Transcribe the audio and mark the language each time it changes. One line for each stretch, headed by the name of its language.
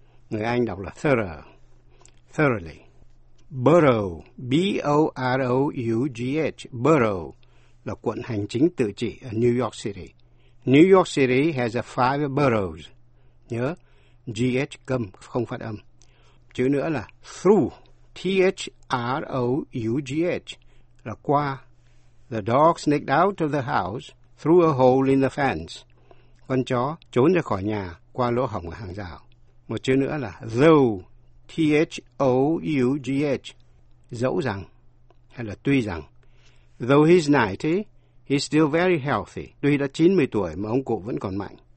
Vietnamese: Người Anh đọc là thorough, thoroughly. Borough, B-O-R-O-U-G-H, borough, là quận hành chính tự trị ở New York City.
English: New York City has 5 boroughs.
Vietnamese: Nhớ, G-H câm, không phát âm. Chữ nữa là through, T-H-R-O-U-G-H, là qua.
English: The dog sneaked out of the house through a hole in the fence.
Vietnamese: Con chó trốn ra khỏi nhà qua lỗ hổng ở hàng rào. Một chữ nữa là though, T-H-O-U-G-H, dẫu rằng, hay là tuy rằng.
English: Though he's 90, he's still very healthy.
Vietnamese: Tuy đã 90 tuổi mà ông cụ vẫn còn mạnh.